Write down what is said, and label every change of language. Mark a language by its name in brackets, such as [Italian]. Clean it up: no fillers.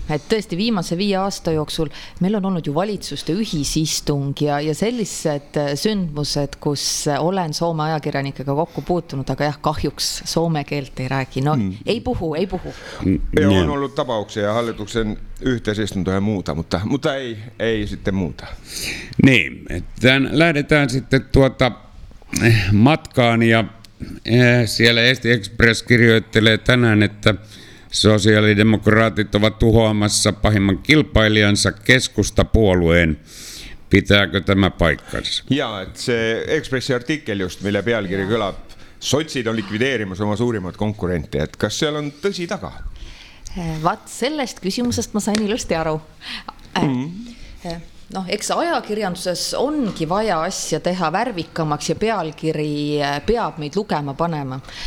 [Estonian] Et tõesti viimase 5 aasta jooksul meil on olnud ju valitsuste ühisistung ja sellised sündmused, kus olen Soome ajakirjanikega kokku puutunud, aga jah, kahjuks soome keelt ei räägi. [Finnish] No, ei puhu. Ja on olnud tabauksia ja hallituksen yhteisistunto ja muuta, mutta ei sitten muuta. Niin, tämän lähdetään sitten matkaan ja siellä Eesti Express kirjoittelee tänään, että sosiaalidemokraatit ovat tuhoamassa pahimman kilpailijansa keskustapuolueen. Pitääkö tämä paikkansa? [Estonian] Jaa, että se Expressi artikkel just, mille pealkiri kõlab, sotsid on likvideerimas oma suurimmat konkurentti, et kas seal on tõsi taga? Vaat sellest küsimusest ma sain ilusti aru. No, eks ajakirjanduses ongi vaja asja teha värvikamaks ja pealkiri peab meid lugema panema.